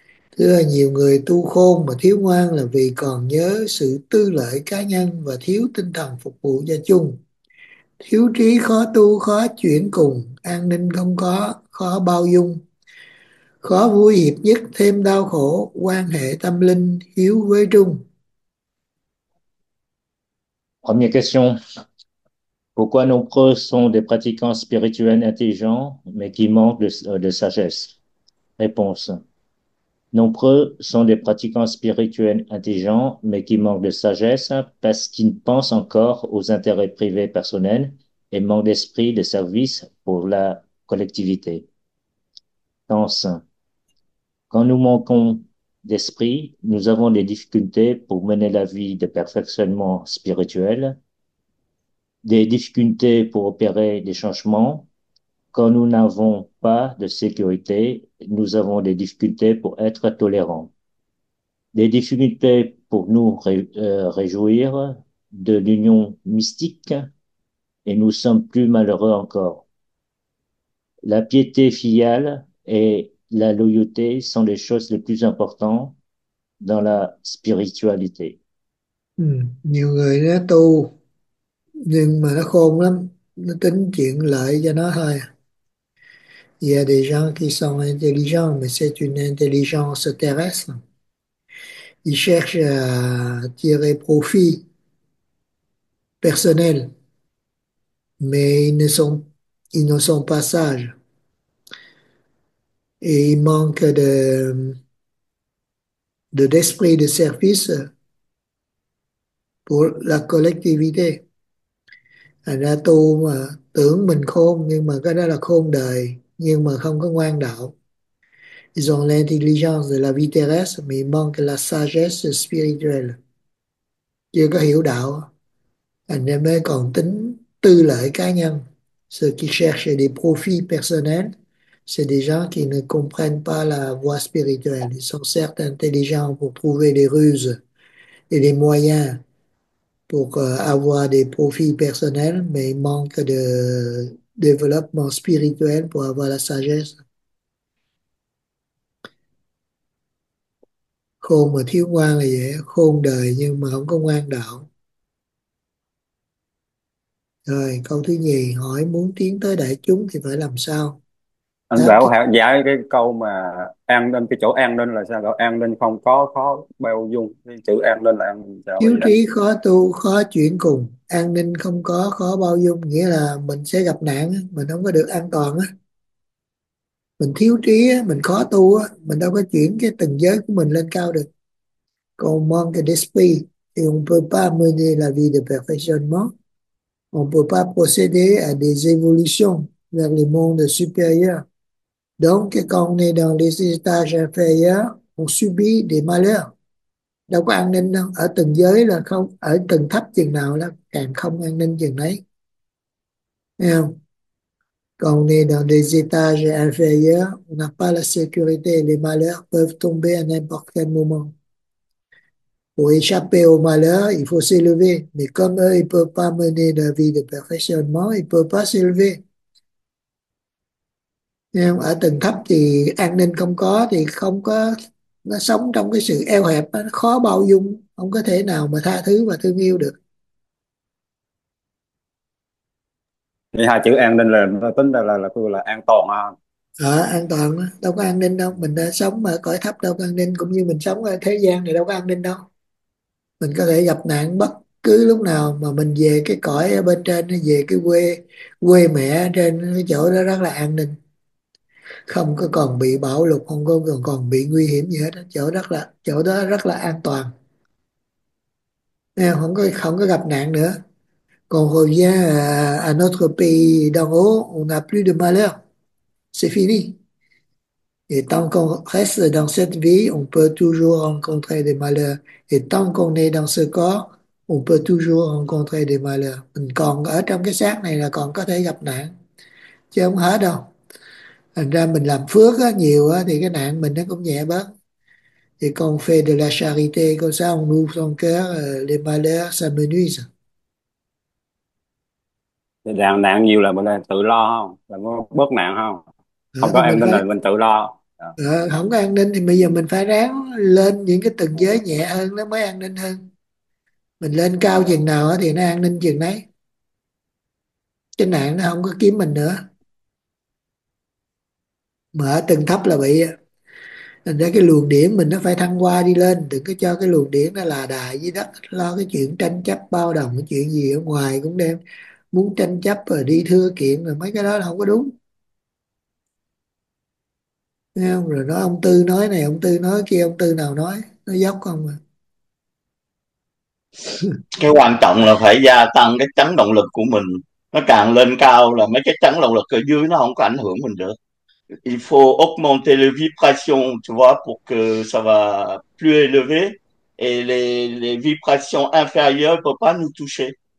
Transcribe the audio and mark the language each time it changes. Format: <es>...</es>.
<vi>Thứ là nhiều người tu khôn mà thiếu ngoan là vì còn nhớ sự tư lợi cá nhân và thiếu tinh thần phục vụ gia chung. Thiếu trí khó tu, khó chuyển cùng, an ninh không có, khó bao dung. Khó vui hiệp nhất thêm đau khổ, quan hệ tâm linh hiếu với trung.</vi> <fr>Première question. Pourquoi nombreux sont des pratiquants spirituels intelligents, mais qui manquent de sagesse? Réponse. Nombreux sont des pratiquants spirituels intelligents, mais qui manquent de sagesse parce qu'ils pensent encore aux intérêts privés personnels et manquent d'esprit de service pour la collectivité. Réponse. Quand nous manquons d'esprit, nous avons des difficultés pour mener la vie de perfectionnement spirituel, des difficultés pour opérer des changements. Quand nous n'avons pas de sécurité, nous avons des difficultés pour être tolérants, des difficultés pour nous réjouir de l'union mystique et nous sommes plus malheureux encore. La piété filiale est la loyauté sont les choses les plus importantes dans la spiritualité.</fr> <vi>Nhiều người nó tu nhưng mà nó khôn lắm, nó tính chuyện lợi cho nó thôi.</vi> <fr>Y a des gens qui sont intelligents, mais c'est une intelligence terrestre. Ils cherchent à tirer profit personnel, mais ils ne sont pas sages. Et ils manquent d'esprit de service pour la collectivité.</fr> <vi>Thành ra tu mà tưởng mình khôn nhưng mà cái đó là khôn đời nhưng mà không có ngoan đạo.</vi> <fr>Ils ont l'intelligence de la vie terrestre mais ils manquent la sagesse spirituelle.</fr> <vi>Chưa có hiểu đạo. Anh em mới còn tính tư lợi cá nhân.</vi> <fr>Ceux qui cherchent des profits personnels, c'est des gens qui ne comprennent pas la voie spirituelle. Ils sont certes intelligents pour trouver des ruses et des moyens pour avoir des profits personnels, mais il manque de développement spirituel pour avoir la sagesse.</fr> <vi>Khôn mà thiếu ngoan là vậy, khôn đời nhưng mà không có ngoan đạo. Rồi, câu thứ nhì, hỏi muốn tiến tới đại chúng thì phải làm sao? Anh Đáp bảo cái hả, dạy cái câu mà an ninh, cái chỗ an ninh là sao? Gọi an ninh không có khó bao dung, cái chữ an ninh là an sao thiếu vậy anh? trí khó tu khó chuyển cùng, an ninh không có khó bao dung, nghĩa là mình sẽ gặp nạn, mình không có được an toàn á. Mình thiếu trí á, mình khó tu á, mình đâu có chuyển cái tầng giới của mình lên cao được. Còn mong cái despi thì</vi> <fr>on peut pas mener la vie de perfectionnement, on peut pas procéder à des évolutions vers les mondes supérieurs. Donc quand on est dans les étages inférieurs, on subit des malheurs.</fr> <vi>Đâu có an ninh đâu, ở từng giới là không, ở từng thấp chừng nào là càng không an ninh chừng đấy, thấy không? Còn nên</vi> <fr>dans des étages inférieurs, on n'a pas la sécurité, les malheurs peuvent tomber à n'importe quel moment. Pour échapper au malheur, il faut s'élever, mais comme eux, ils ne peuvent pas mener la vie de perfectionnement, ils ne peuvent pas s'élever.</fr> <vi>Ở tầng thấp thì an ninh không có, thì không có, nó sống trong cái sự eo hẹp, nó khó bao dung, không có thể nào mà tha thứ và thương yêu được. Hai chữ an ninh là tính ra là tôi là an toàn ha. An toàn đó. Đâu có an ninh đâu, mình đã sống ở cõi thấp đâu có an ninh, cũng như mình sống ở thế gian này đâu có an ninh đâu. Mình có thể gặp nạn bất cứ lúc nào, mà mình về cái cõi ở bên trên, về cái quê quê mẹ trên cái chỗ đó rất là an ninh, không có còn bị bạo lực, không có còn bị nguy hiểm gì hết đó. Chỗ đó rất là an toàn, không có gặp nạn nữa. Còn hồi nha,</vi> <fr>à notre pays d'en haut, on n'a plus de malheur. C'est fini. Et tant qu'on reste dans cette vie, on peut toujours rencontrer des malheurs. Et tant qu'on est dans ce corps, on peut toujours rencontrer des malheurs.</fr> <vi>Mình còn ở trong cái xác này là còn có thể gặp nạn, chứ không hết đâu. Thành ra mình làm phước á, nhiều á, thì cái nạn mình nó cũng nhẹ bớt.</vi> <fr>Et quand on fait de la charité, comme ça on ouvre son cœur, les malheurs, ça me nuise.</fr> <vi>Nạn nạn nhiều là mình là tự lo, không là bớt nạn, không có Thì mình em nên phải là mình tự lo. không có an ninh thì bây giờ mình phải ráng lên những cái tầng giới nhẹ hơn, nó mới an ninh hơn. Mình lên cao chừng nào thì nó an ninh chừng đấy, cái nạn nó không có kiếm mình nữa. Mà ở tầng thấp là bị, thành ra cái luồng điển mình nó phải thăng hoa đi lên, đừng có cho cái luồng điển nó là đà dưới đất, lo cái chuyện tranh chấp bao đồng, cái chuyện gì ở ngoài cũng đem muốn tranh chấp rồi đi thưa kiện rồi mấy cái đó là không có đúng. Nghe không? Rồi nói ông Tư nói này, ông Tư nói kia, ông Tư nào nói, nó dốc không à. Cái quan trọng là phải gia tăng cái chấn động lực của mình, nó càng lên cao là mấy cái chấn động lực ở dưới nó không có ảnh hưởng mình được.</vi> <fr>Il faut augmenter les vibrations, tu vois, pour que ça va plus élevé et les vibrations inférieures ne peuvent pas nous toucher.</fr>